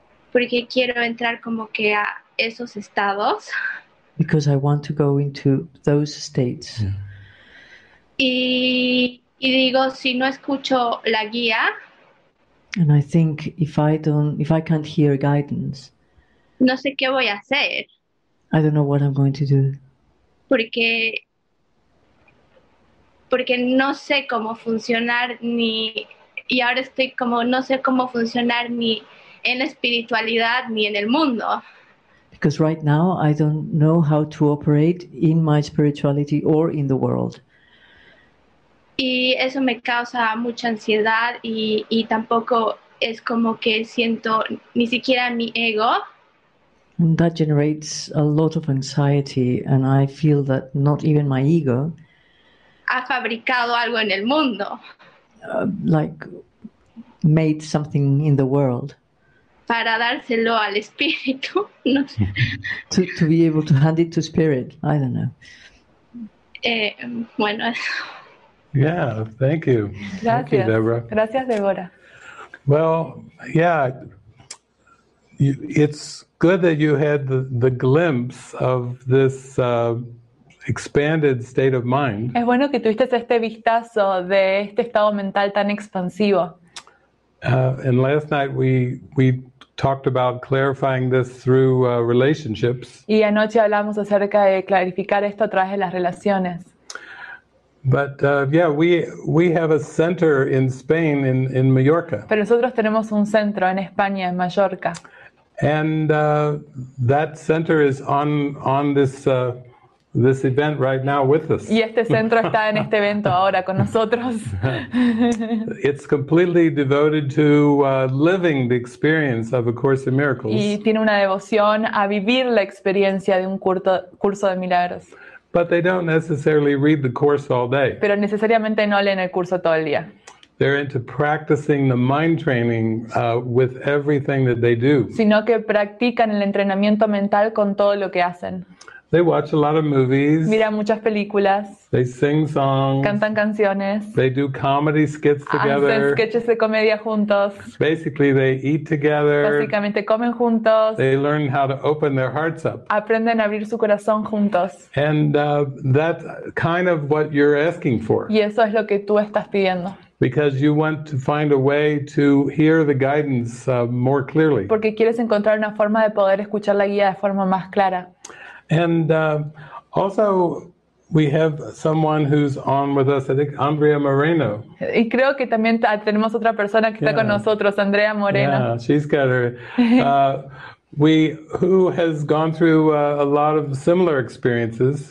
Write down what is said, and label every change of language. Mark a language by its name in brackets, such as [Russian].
[Spanish] Porque quiero entrar como que a esos estados. [English] Because I want to go into those states. [Spanish] Y digo, si no escucho la guía. [English] And I think if I can't hear guidance. [Spanish] No sé qué voy a hacer. [English] I don't know what I'm going to do. [Spanish] Porque no sé cómo funcionar ni, y ahora estoy como, no sé cómo funcionar ni en la espiritualidad ni en el mundo. [English] Because right now I don't know how to operate in my spirituality or in the world. [Spanish] Y eso me causa mucha ansiedad y tampoco es como que siento ni siquiera mi ego. [English] And that generates a lot of anxiety and I feel that not even my ego [Spanish] ha fabricado algo en el mundo. [English] Like made something in the world. [Spanish] Para dárselo al espíritu, no sé. [English] to be able to hand it to spirit, I don't know. [Spanish] Bueno. [English] Yeah, thank you. [Spanish] Gracias. [English] Thank you, Deborah. [Spanish] Gracias, Deborah. [English] Well, yeah, it's good that you had the glimpse of this expanded state of mind. [Spanish] Es bueno que tuviste este vistazo de este estado mental tan expansivo. [English] And last night we talked about clarifying this through relationships. [Spanish] Y anoche hablamos acerca de clarificar esto a través de las relaciones. [English] But yeah, we have a center in Spain in Mallorca. [Spanish] Pero nosotros tenemos un centro en España, en Mallorca. [English] And that center is on this this event right now with us. [Spanish] Y este centro está en este evento ahora con nosotros. [English] It's completely devoted to living the experience of A Course in Miracles. [Spanish] Y tiene una devoción a vivir la experiencia de un curso de milagros. [English] But they don't necessarily read the course all day. [Spanish] Pero necesariamente no leen el curso todo el día. [English] They're into practicing the mind training with everything that they do. [Spanish] Sino que practican el entrenamiento mental con todo lo que hacen. [English] They watch a lot of movies. [Spanish] Miran muchas películas. [English] They sing songs. [Spanish] Cantan canciones. [English] They do comedy skits together. [Spanish] Hacen sketches de comedia juntos. [English] Basically, they eat together. [Spanish] Básicamente comen juntos. [English] They learn how to open their hearts up. [Spanish] Aprenden a abrir su corazón juntos. [English] And that's kind of what you're asking for. [Spanish] Y eso es lo que tú estás pidiendo. [English] Because you want to find a way to hear the guidance more clearly. [Spanish] Porque quieres encontrar una forma de poder escuchar la guía de forma más clara. [English] And also, we have someone who's on with us. I think Andrea Moreno. [Spanish] Y creo que también tenemos otra persona que está con nosotros, Andrea Moreno. [English] Yeah, she's got her. who has gone through a lot of similar experiences.